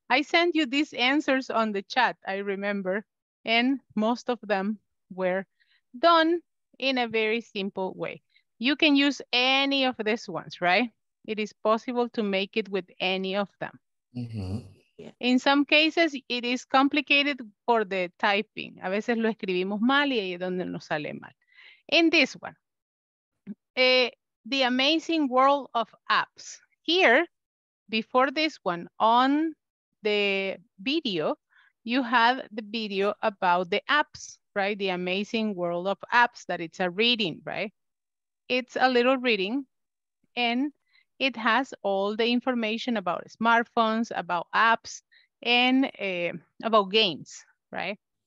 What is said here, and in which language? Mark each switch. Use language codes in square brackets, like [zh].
[en] I sent you these answers on the chat, I remember. And most of them were done in a very simple way. You can use any of these ones, right? It is possible to make it with any of them. Mm-hmm. In some cases, it is complicated for the typing. [es] A veces lo escribimos mal y ahí es donde nos sale mal. [en] In this one, the amazing world of apps. Here, before this one, on the video, you have the video about the apps, right? The amazing world of apps, that it's a reading, right? It's a little reading and it has all the information about smartphones, about apps, and about games, right?